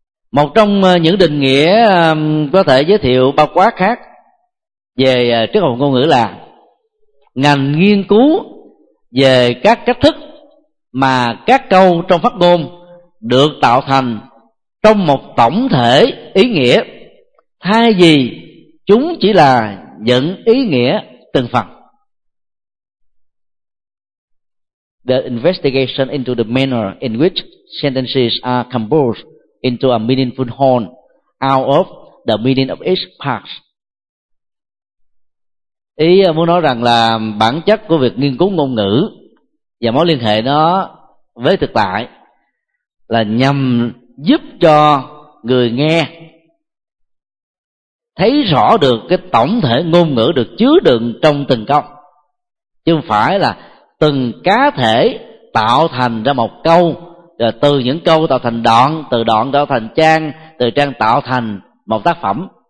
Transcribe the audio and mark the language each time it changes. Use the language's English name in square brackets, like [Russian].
[Vietnamese] Một trong những định nghĩa có thể giới thiệu bao quát khác về triết học ngôn ngữ là ngành nghiên cứu về các cách thức mà các câu trong phát ngôn được tạo thành trong một tổng thể ý nghĩa, thay vì chúng chỉ là những ý nghĩa từng phần. [English] The investigation into the manner in which sentences are composed into a meaningful whole out of the meaning of each part. [Vietnamese] Ý muốn nói rằng là bản chất của việc nghiên cứu ngôn ngữ và mối liên hệ nó với thực tại là nhằm giúp cho người nghe thấy rõ được cái tổng thể ngôn ngữ được chứa đựng trong từng câu, chứ không phải là từng cá thể tạo thành ra một câu, rồi từ những câu tạo thành đoạn, từ đoạn tạo thành trang, từ trang tạo thành một tác phẩm.